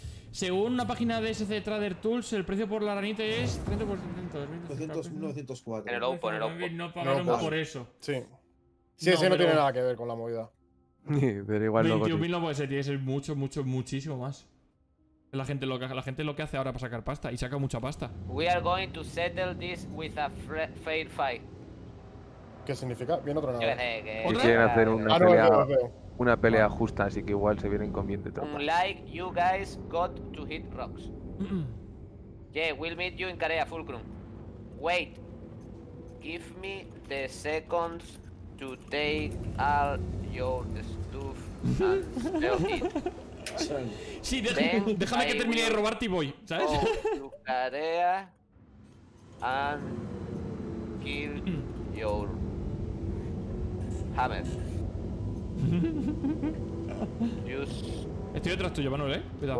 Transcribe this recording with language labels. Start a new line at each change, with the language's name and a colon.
Spanish: Según una página de SC Trader Tools, el precio por la ranita es 900, 904. No pagaron por eso. Sí. Sí, no, ese no tiene nada que ver con la movida. Pero igual 21.000 no puede ser, tiene que ser muchísimo más. La gente lo que hace ahora para sacar pasta, y saca mucha pasta.
English: We are going to settle this with a fair fight.
Spanish: ¿Qué significa? Viene otra nave. Y quieren hacer una pelea justa, así que igual se vienen con bien de tropas.
English: Like you guys got to hit rocks. Yeah, we'll meet you in Carea, Fulcrum. Wait. Give me the seconds to take all your stuff and sell it.
Spanish: Sí, déjame que termine de robarte y voy, ¿sabes?
English: Go to Carea and kill your hammer.
Spanish: Estoy detrás tuyo, Manuel, Cuidado.